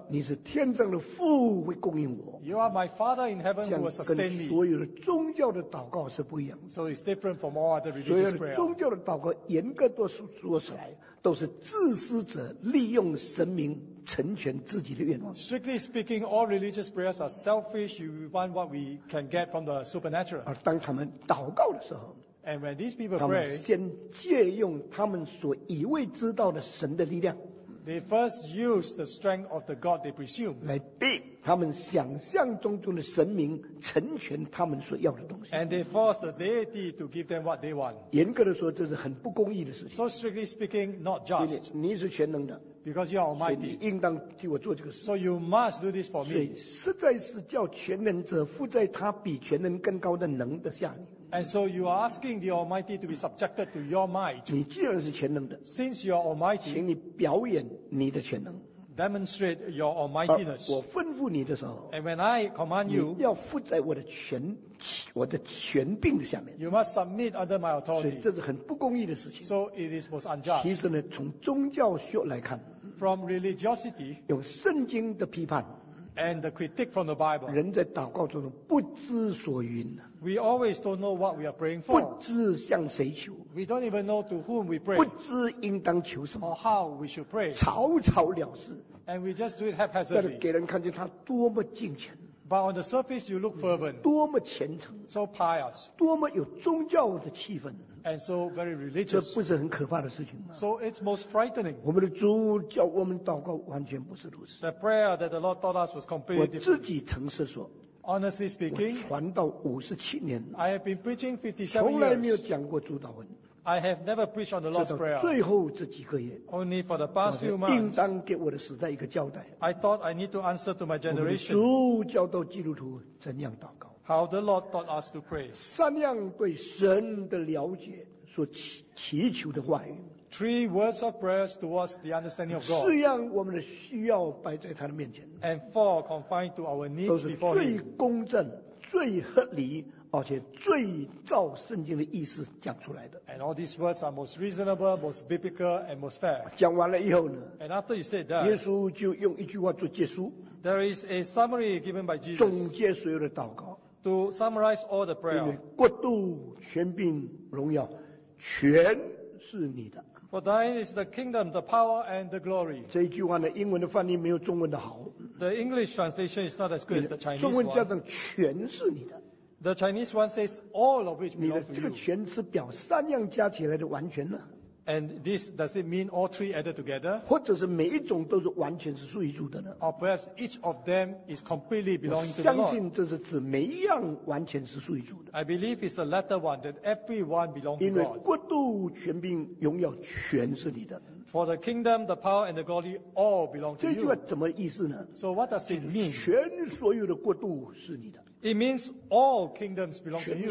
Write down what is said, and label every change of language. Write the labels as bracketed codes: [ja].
[zh] 你是天上的父会供应我。 [en] You are my father in heaven who will sustain me. [zh] 跟所有的宗教的祷告是不一样的。 [en] So it's different from all other religious prayer. [zh] 所有的宗教的祷告严格都说出来。都是自私者利用神明成全自己的愿望。 [en] Strictly speaking, all religious prayers are selfish. You want what we can get from the supernatural. [zh] 而当他们祷告的时候 [en] ，And when these people pray, [zh] 他们先借用他们所以为知道的神的力量 [en] ，They first use the strength of the God they presume [zh] 来逼他们想象中中的神明成全他们所要的东西。 [en] And they force the deity to give them what they want. [zh] 严格的说，这是很不公义的事情。 [en] So strictly speaking, not just. [zh] 因为你是全能的。 [en] Because you are almighty. [zh] 所以你应当替我做这个事。 [en] So you must do this for me. [zh] 所以实在是叫全能者附在他比全能更高的能的下面。 [en] And so you are asking the Almighty to be subjected to your might. [zh] 你既然是全能的。 [en] Since you are almighty. [zh] 请你表演你的全能。 [en] Demonstrate your almightiness. [zh] 我吩咐你的时候 [en] And when I command you, [zh] 你要附在我的权柄的下面。 [en] You must submit under my authority. [zh] 所以这是很不公义的事情。 [en] So it is most unjust. [zh] 其实呢，从宗教学来看 [en] ，from religiosity, [zh] 用圣经的批判 [en] ，and the critique from the Bible, [zh] 人在祷告中不知所云。 [en] We always don't know what we are praying for. [zh] 不知向谁求。 [en] We don't even know to whom we pray. [zh] 不知应当求什么。 [en] Or how we should pray. [zh] 草草了事。 [en] And we just do it haphazardly. [zh] 但是给人看见他多么敬虔。 [en] But on the surface you look fervent. [zh] 多么虔诚。 [en] So pious. [zh] 多么有宗教的气氛。 [en] And so very religious. [zh] 这不是很可怕的事情吗 [en] ？So it's most frightening. [zh] 我们的主叫我们祷告完全不是如此。 [en] The prayer that the Lord taught us was completely different. [zh] 我自己诚实说。 [en] Honestly speaking, [zh] 我传道57年 [en] I have been preaching 57 years. [zh] 从来没有讲过主祷文。 [en] I have never preached on the Lord's Prayer. [zh] 最后这几个月 [en] ，Only for the past few months. [zh] 应当给我的时代一个交代。 [en] I thought I need to answer to my generation. [zh] 主教导基督徒怎样祷告 [en] ？How the Lord taught us to pray. [zh] 三样对神的了解所祈求的话语。 [en] Three words of prayers towards the understanding of God. [zh] 四样我们的需要摆在他的面前。 [en] And four confined to our needs before him. [zh] 都是最公正、最合理，而且最照圣经的意思讲出来的。 [en] And all these words are most reasonable, most biblical, and most fair. [zh] 讲完了以后呢 [en] ？And after you said that, [zh] 耶稣就用一句话做结束。 [en] There is a summary given by Jesus. [zh] 总结所有的祷告。 [en] To summarize all the prayer. [zh] 因为国度、权柄、荣耀，全是你的。 [en] For thine is the kingdom, the power, and the glory. [zh] 这一句话呢，英文的翻译没有中文的好。 [en] The English translation is not as good as the Chinese one. [zh] 中文叫做全是你的。 [en] The Chinese one says all of which belong to you. [zh] 你的这个全是表三样加起来的完全呢？ [en] And this, does it mean all three added together? [zh] 或者是每一种都是完全是属于主的呢？ [en] Or perhaps each of them is completely belonging to the Lord. [zh] 我相信这是指每一样完全是属于主的。 [en] I believe it's the latter one, that everyone belongs to God. [zh] 因为国度、权柄、荣耀全是你的。 [en] For the kingdom, the power, and the glory all belong to you. [zh] 这句话怎么意思呢？ [en] So what does it mean? [zh] 全所有的国度是你的。 [en] It means all kingdoms belong to you.